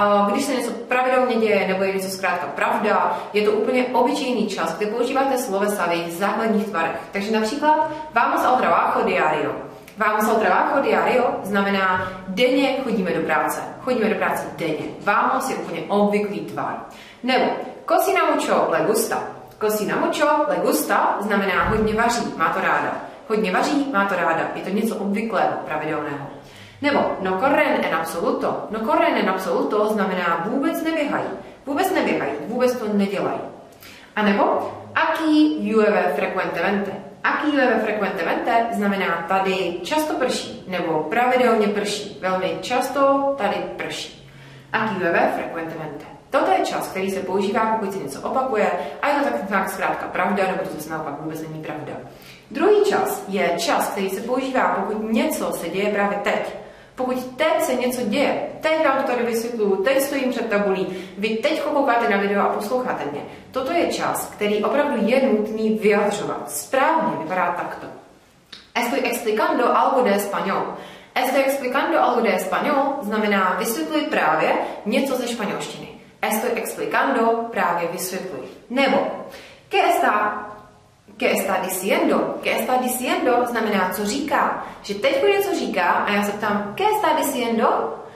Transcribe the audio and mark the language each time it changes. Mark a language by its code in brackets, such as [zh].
[cs] Když se něco pravidelně děje, nebo je něco zkrátka pravda, je to úplně obyčejný čas, kdy používáte slovesa v jejich základních tvarech. Takže například [es] vamos al trabajo diario. Vamos al trabajo diario [cs] znamená denně chodíme do práce. Chodíme do práce denně. Vamos je úplně obvyklý tvar. [es] Nebo cocina mucho le gusta. Cocina mucho le gusta [cs] znamená hodně vaří, má to ráda. Hodně vaří, má to ráda. Je to něco obvyklého, pravidelného. [es] Nebo no corren en absoluto. No corren en absoluto [cs] znamená vůbec neběhají. Vůbec neběhají, vůbec to nedělají. A nebo [es] aquí llueve frecuentemente. Aquí llueve frecuentemente [cs] znamená tady často prší, nebo pravidelně prší. Velmi často tady prší. [es] Aquí llueve frecuentemente. [cs] Toto je čas, který se používá, pokud se něco opakuje, a je to tak zkrátka pravda, nebo to zase naopak vůbec není pravda. Druhý čas je čas, který se používá, pokud něco se děje právě teď. Pokud teď se něco děje, teď vám to tady vysvětluju, teď stojím před tabulí, vy teď koukáte na video a posloucháte mě. Toto je čas, který opravdu je nutný vyjadřovat. Správně vypadá takto. [es] Estoy explicando algo de español. Estoy explicando algo de español [cs] znamená vysvětluji právě něco ze španělštiny. [es] Estoy explicando [cs] právě vysvětluji. [es] Nebo ¿Qué está diciendo? [cs] Znamená, co říká. Že teď bude něco říká a já se ptám, [es] ¿qué está diciendo?